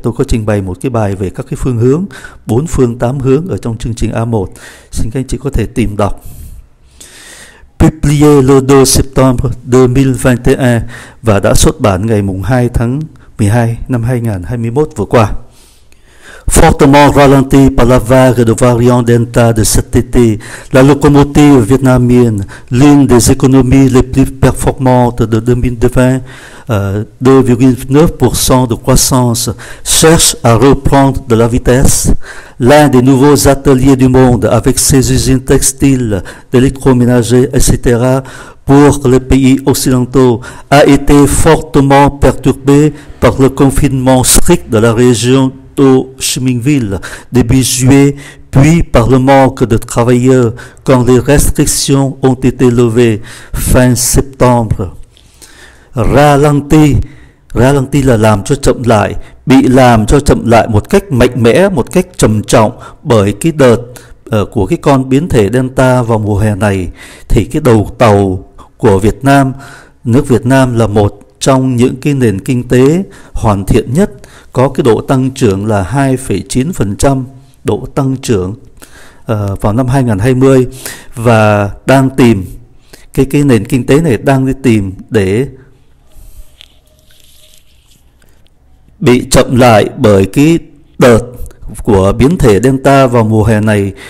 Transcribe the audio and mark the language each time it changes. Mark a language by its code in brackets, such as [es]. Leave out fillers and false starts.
[vi] Tôi có trình bày một cái bài về các cái phương hướng, 4 phương 8 hướng ở trong chương trình A1. Xin các anh chị có thể tìm đọc. [fr] Publié le 2 septembre 2021 [vi] và đã xuất bản ngày 2 tháng 12 năm 2021 vừa qua. [fr] Fortement ralenti par la vague de variant Delta de cet été, la locomotive vietnamienne, l'une des économies les plus performantes de 2020, 2,9% de croissance, cherche à reprendre de la vitesse. L'un des nouveaux ateliers du monde, avec ses usines textiles, d'électroménager, etc., pour les pays occidentaux, a été fortement perturbé par le confinement strict de la région Ho Chi Minh Ville début juillet, puis par le manque de travailleurs quand les restrictions ont été levées fin septembre. [vi] Ralenti là làm cho chậm lại, bị làm cho chậm lại một cách mạnh mẽ, một cách trầm trọng bởi cái đợt của cái con biến thể Delta vào mùa hè này. Thì cái đầu tàu của Việt Nam, nước Việt Nam là một trong những cái nền kinh tế hoàn thiện nhất, có cái độ tăng trưởng là 2,9% độ tăng trưởng vào năm 2020, và đang tìm cái nền kinh tế này đang đi tìm để bị chậm lại bởi cái đợt của biến thể Delta vào mùa hè này.